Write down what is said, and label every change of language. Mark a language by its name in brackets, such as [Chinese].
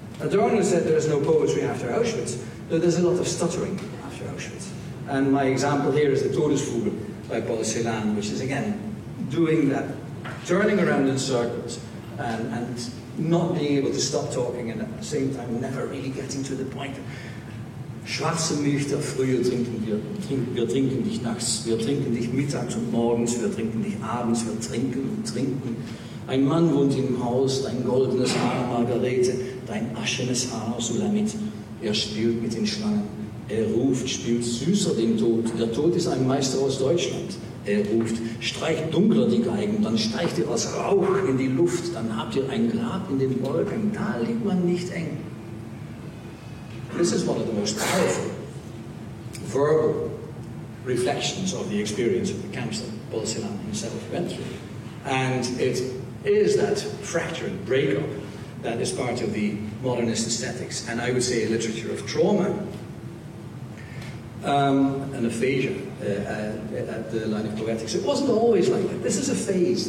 [English] Adorno said there is no poetry after Auschwitz, but there's a lot of stuttering after Auschwitz. And my example here is the Todesfugl by Paul Celan, which is again doing that, turning around in circles and not being able to stop talking and at the same time never really getting to the point. [German] Schwarze Milch früher trinken wir. Wir trinken dich nachts, wir trinken dich mittags und morgens, wir trinken dich abends, wir trinken und trinken. Ein Mann wohnt im Haus, dein goldenes Haar, Margarete, dein aschenes Haar, Sulamit. Er spielt mit den Schlangen. Er ruft, spielt süßer den Tod. Der Tod ist ein Meister aus Deutschland. Er ruft, streicht dunkler die Geigen, dann steigt ihr aus Rauch in die Luft, dann habt ihr ein Grab in den Wolken, da liegt man nicht eng. [English] This is one of the most powerful verbal reflections of the experience of the camps that Paul Celan himself went through. And it is that fracturing, breakup, that is part of the modernist aesthetics, and I would say a literature of trauma, and aphasia at the line of poetics. It wasn't always like that. This is a phase.